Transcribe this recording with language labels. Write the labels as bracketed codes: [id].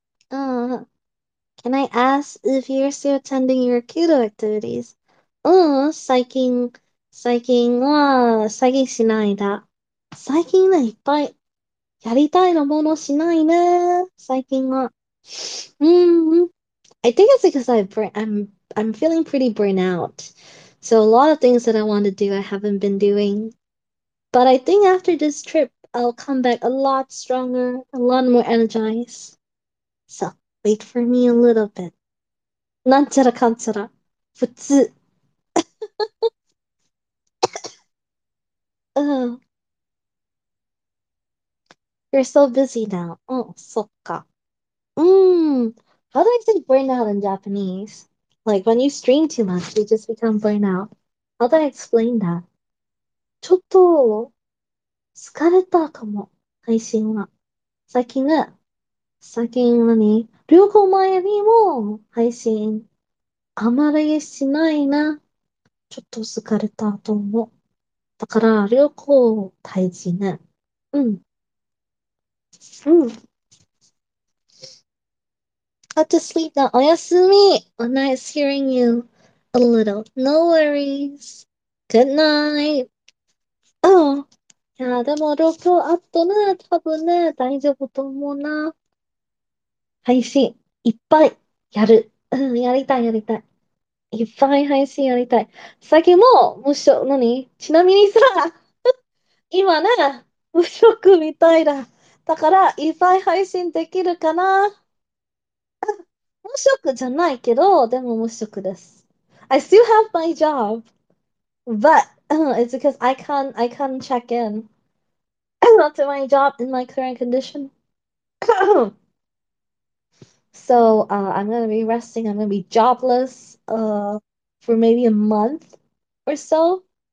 [en] Can I ask if you're still attending your kudo activities? [ja] 最近しないだ。最近ね、いっぱいやりたいのものしないね。最近は。 [en] I think it's because I'm feeling pretty burnt out. So a lot of things that I want to do, I haven't been doing. But I think after this trip, I'll come back a lot stronger, a lot more energized. So wait for me a little bit. [ja] なんちゃらかんちゃら。普通。 [en] You're so busy now. Oh, [ja] そっか。 [en] How do I say burn out in Japanese? Like when you stream too much, you just become burn out. How do I explain that? [ja] ちょっと疲れたかも、配信は。最近はね、旅行前にも配信あまりしないな。ちょっと疲れたと思う。だから旅行大事ね。 [en] How to sleep now? Oyasumi! Nice hearing you a little. No worries. Good night. Oh. [ja] いや、でも、旅行あとね、多分ね、大丈夫と思うな。配信、いっぱいやる。やりたい、やりたい。いっぱい配信やりたい。先も、無職、何？ちなみにさ、今ね、無職みたいだ。だから、いっぱい配信できるかな？無職じゃないけど、でも無職です。 [en] I still have my job, but it's because I can't check in to my job in my current condition. So I'm gonna be resting. I'm gonna be jobless for maybe a month or so.